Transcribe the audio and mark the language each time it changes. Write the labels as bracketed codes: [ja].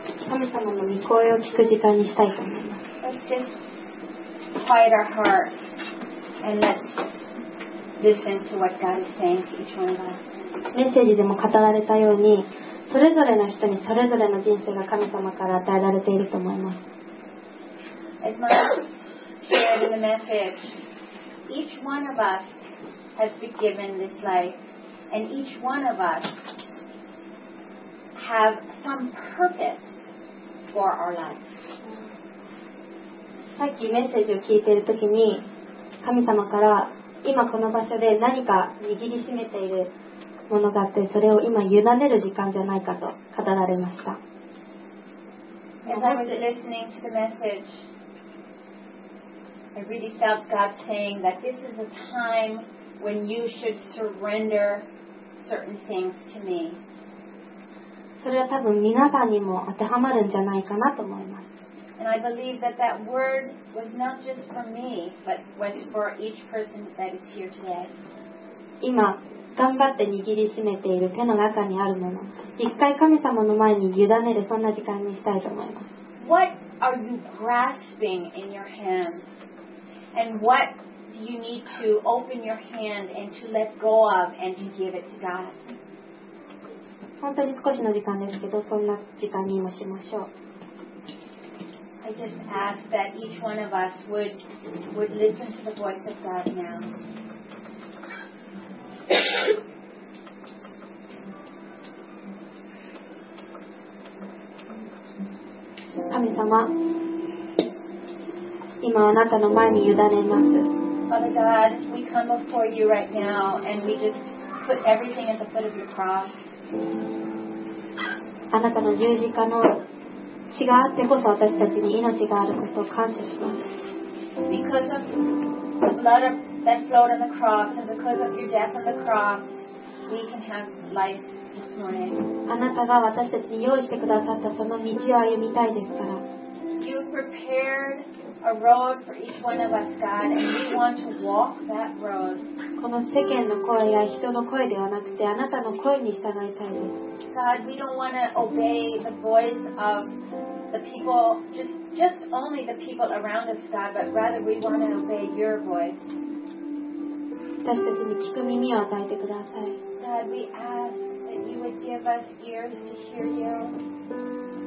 [ja] 神様の御声を聞く時間にしたいと思います。 [en] Let's just quiet our hearts and let's listen to what God is saying to each one of us. [ja] メッセージでも語られたように、それぞれの人にそれぞれの人生が神様から与えられていると思います。 [en] As my shared in the message, each one of us has been given this life and each one of us have some purpose. [ja] さっきメッセージを聞いているときに、神様から今この場所で何か握りしめているものがあって、それを今委ねる時間じゃないかと語られました。 [en] As I was listening to the message, I really felt God saying that this is a time when you should surrender certain things to me. [ja] それは多分皆さんにも当てはまるんじゃないかなと思います。 [en] And I believe that that word was not just for me, but was for each person that is here today. [ja] 今頑張って握りしめている手の中にあるもの、一回神様の前に委ねる、そんな時間にしたいと思います。 [en] What are you grasping in your hands? And what do you need to open your hand and to let go of and to give it to God? [ja] 本当に少しの時間ですけど、そんな時間にもしましょう。 [en] I just ask that each one of us would listen to the voice of God now. [ja] 神様、今あなたの前に委ねます。 [en] Father God, we come before you right now and we just put everything at the foot of your cross. [ja] あなたの十字架の血があってこそ私たちに命があることを感謝します。 [en] Because of the blood that flowed on the cross and because of your death on the cross, we can have life this morning. [ja] あなたが私たちに用意してくださったその道を歩みたいですから。 [en] You prepared a road for each one of us, God, and we want to walk that road. [ja] この世間の声や人の声ではなくて、あなたの声に従いたいです。 [en] God, we don't want to obey the voice of the people, just only the people around us, God, but rather we want to obey your voice. [ja] 私たちに聞く耳を与えてください。 [en] God, we ask that you would give us ears to hear you.